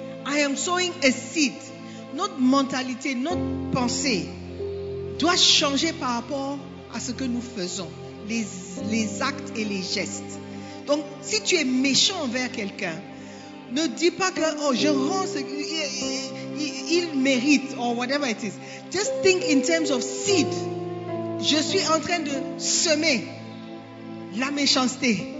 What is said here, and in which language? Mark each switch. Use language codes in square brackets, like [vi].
[en] I am sowing a seed. [fr] Notre mentalité, notre pensée doit changer par rapport à ce que nous faisons, les actes et les gestes. Donc, si tu es méchant envers quelqu'un, ne dis pas que oh, je rends ce qu'il mérite, [en] or whatever it is. Just think in terms of seed. [fr] Je suis en train de semer la méchanceté.